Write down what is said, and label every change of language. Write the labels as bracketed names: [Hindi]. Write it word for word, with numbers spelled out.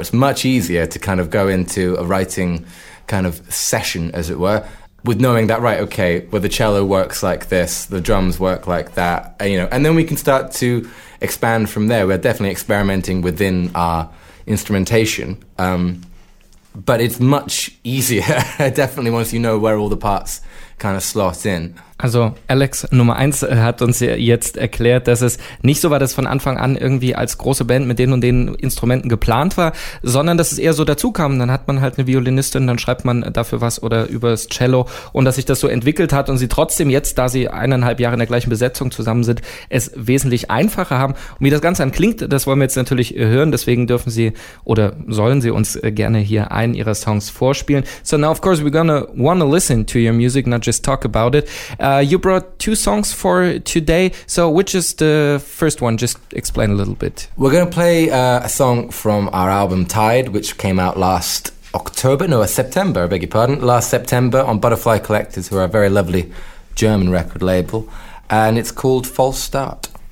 [English] It's much easier to kind of go into a writing kind of session, as it were, with knowing that, right, okay, well, the cello works like this, the drums work like that, you know, and then we can start to expand from there. We're definitely experimenting within our instrumentation, um, but it's much easier, definitely, once you know where all the parts kind of slot in. [German] Also Alex Nummer eins hat uns jetzt erklärt, dass es nicht so war, dass von Anfang an irgendwie als große Band mit den und den Instrumenten geplant war, sondern dass es eher so dazu kam. Dann hat man halt eine Violinistin, dann schreibt man dafür was oder übers Cello und dass sich das so entwickelt hat und sie trotzdem jetzt, da sie eineinhalb Jahre in der gleichen Besetzung zusammen sind, es wesentlich einfacher haben. Und wie das Ganze dann klingt, das wollen wir jetzt natürlich hören, deswegen dürfen sie oder sollen sie uns gerne hier einen ihrer Songs vorspielen. [English] So now of course we're gonna wanna listen to your music, not just talk about it. Uh, you brought two songs for today, so which is the first one? Just explain a little bit. We're going to play uh, a song from our album Tide, which came out last October, no, September, I beg your pardon, last September on Butterfly Collectors, who are a very lovely German record label, and it's called False Start.